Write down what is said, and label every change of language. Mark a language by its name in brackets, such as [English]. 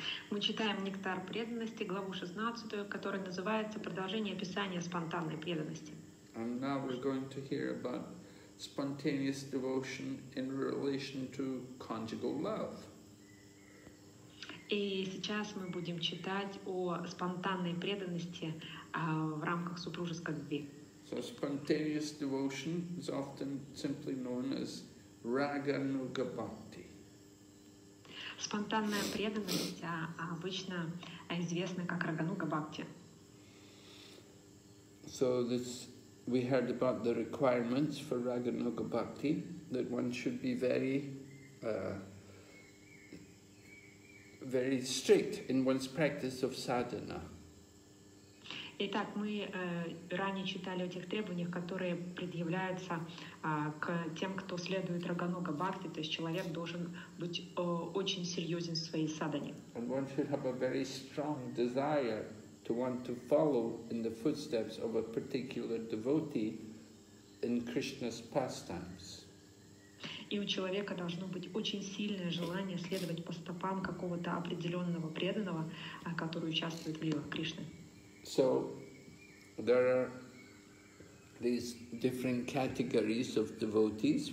[Russian] Мы читаем Нектар преданности, главу 16, которая называется Продолжение описания спонтанной преданности. [English] And now we're going to hear about spontaneous devotion in relation to conjugal love. [Russian] И сейчас мы будем читать о спонтанной преданности в рамках супружеской любви. [English] So spontaneous devotion is often simply known as Raganuga Bhakti. [Russian] Спонтанная преданность обычно известна как Рагануга Бхакти. [English] So this we heard about the requirements for Raganuga Bhakti, that one should be very very strict in one's practice of sadhana. [Russian] Итак, мы ранее читали о тех требованиях, которые предъявляются к тем, кто следует Рагануга Бхакти, то есть человек должен быть очень серьезен в своей садхане. [English] And one should have a very strong desire to want to follow in the footsteps of a particular devotee in Krishna's pastimes. [Russian] И у человека должно быть очень сильное желание следовать по стопам какого-то определенного преданного, который участвует в лилах Кришны. [English] So there are these different categories of devotees.